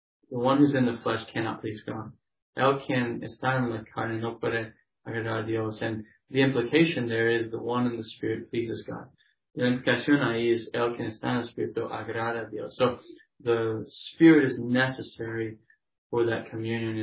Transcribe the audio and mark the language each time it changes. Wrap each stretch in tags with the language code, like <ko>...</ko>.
<en>The one who's in the flesh cannot please God.</en> <es>El quien está en la carne no puede agradar a Dios. And the implication there is the one in the Spirit pleases God. La implicación ahí es el quien está en el Espíritu agrada a Dios.</es> <en>So the Spirit is necessary for that communion.</en>